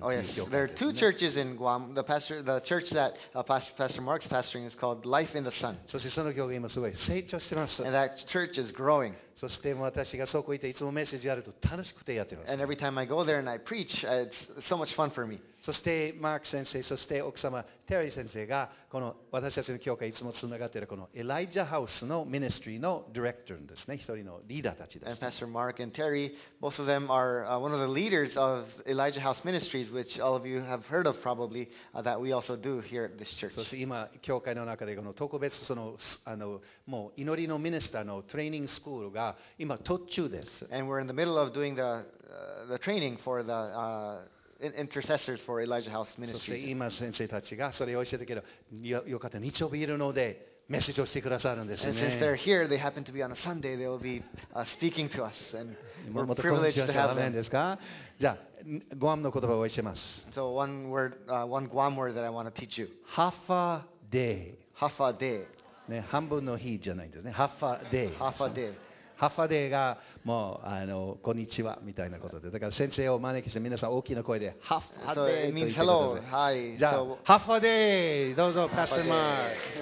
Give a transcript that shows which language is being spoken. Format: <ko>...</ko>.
<en>Oh yes, there are two churches in Guam. The pastor, the church that Pastor Mark's pastoring is called Life in the Sun.</en> <ja>そしてその教会もすごい成長してます。</ja> <en>And that church is growing.</en> <ja>そして私がそこ行っていつもメッセージやると楽しくてやってます。</ja> <en>And every time I go there and I preach, it's so much fun for me.</en> <ja>そしてマーク先生、そして奥様テリー先生がこの私たちの教会いつもつながっているこのエライジャハウスのミニストリーのディレクターですね、一人のリーダーたちです。</ja> <en>And Pastor Mark and Terry, both of them are one of the leaders of Elijah House Ministries, which all of you have heard of probably, that we also do here at this church.</en> <ja>そして今教会の中でこの特別そのもう祈りのミニスターのトレーニングスクールが今途中です。</ja> <en>And we're in the middle of doing the training for theintercessors for Elijah House Ministry.</en> <ja>そして今先生たちがそれを教えてくれる よかった日曜日いるのでメッセージをしてくださるんですね。</ja> <en>And since they're here, they happen to be on a Sunday, they will be speaking to us, and we're privileged to have them.</en> <ja>じゃあグアムの言葉を教えます。</ja> <en>So one word, one Guam word that I want to teach you.</en> <ch>Half a day. Half a day.</ch> <ja>ね、半分の日じゃないですね。</ja> <ch>Half a day. Half a day.</ch> <ja>ハッファデーがもうこんにちはみたいなことで、だから先生を招きして皆さん大きな声でハッファデーと言ってください。</ja> <en>So it means hello. Hi.</en> <ja>じゃあ、ハッファデーどうぞ、パスマーク。</ja>